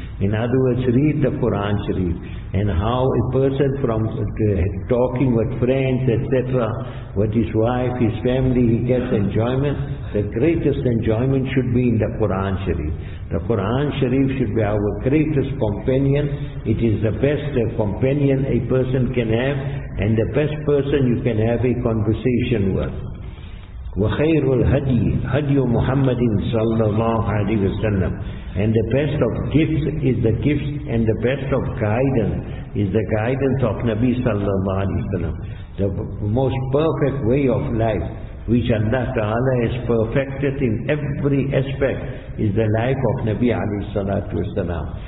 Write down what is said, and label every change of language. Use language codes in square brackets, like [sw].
[en] In other words, read the Quran Sharif. And how a person from talking with friends, etc., with his wife, his family, he gets enjoyment. The greatest enjoyment should be in the Quran Sharif. The Quran Sharif should be our greatest companion. It is the best companion a person can have, and the best person you can have a conversation with. [ar] وخير الهدي هدي محمد صلى الله عليه وسلم. [en] And the best of gifts is the gifts, and the best of guidance is the guidance of Nabi sallallahu alaihi wasallam. The most perfect way of life, which Allah Ta'ala has perfected in every aspect, is the life of Nabi alayhi salatu wasalam.